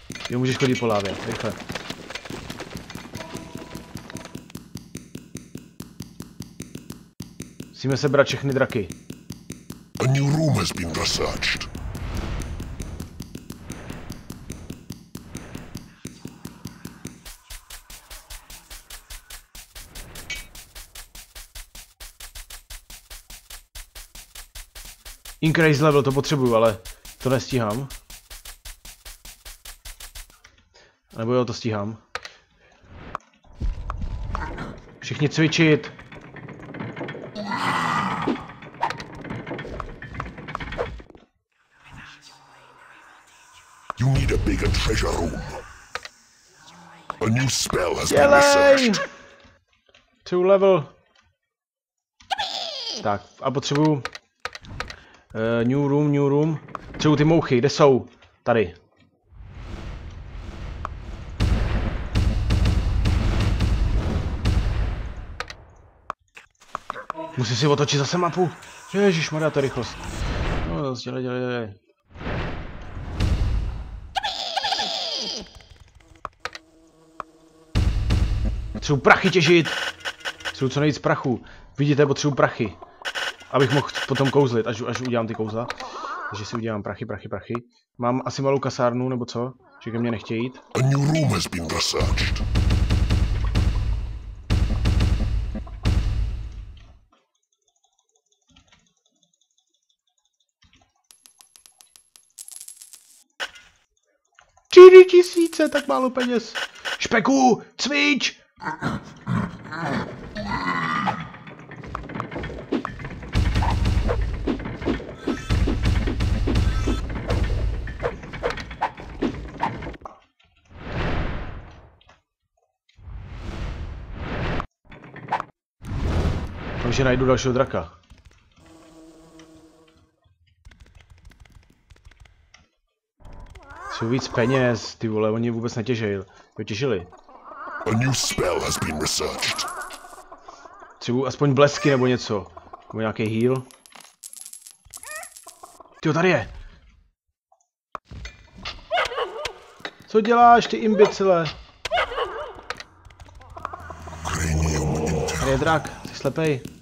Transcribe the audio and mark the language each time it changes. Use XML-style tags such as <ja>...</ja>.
<cs>Jo, můžeš chodit po lávě, rychle. Musíme sebrat všechny draky.</cs> <en>A new room has been researched. Increase level,</en> <cs>to potřebuju, ale to nestíhám. Nebo jo, to stíhám. Všichni cvičit.</cs> <en>You need a bigger treasure room. A new spell has been researched. Two level.</en> <cs>Tak, a potřebuju</cs> <en>new room.</en> <cs>Co jsou ty mouchy? Kde jsou? Tady. Musím si otočit zase mapu. Ježišmarja, to je rychlost. No, zase dělej. Chci prachy těžit. Chci co nejvíc prachu. Vidíte, potřebuji prachy. Abych mohl potom kouzlit, až udělám ty kouzla. Takže si udělám prachy. Mám asi malou kasárnu, nebo co? Že ke mně nechtějí jít.</cs> <en>A new room has been researched.</en> <cs>Čtyři tisíce, tak málo peněz. Špeku, cvič! Takže najdu dalšího draka. Jsou víc peněz, ty vole, oni vůbec netěžejí. Vytěžili.</cs> <en>A new spell has been researched.</en> <cs>Třebuji aspoň blesky nebo něco. Nebo nějaký heal. Tyjo, tady je. Co děláš, ty imbecile? Tady je drak, jsi slepej.</cs>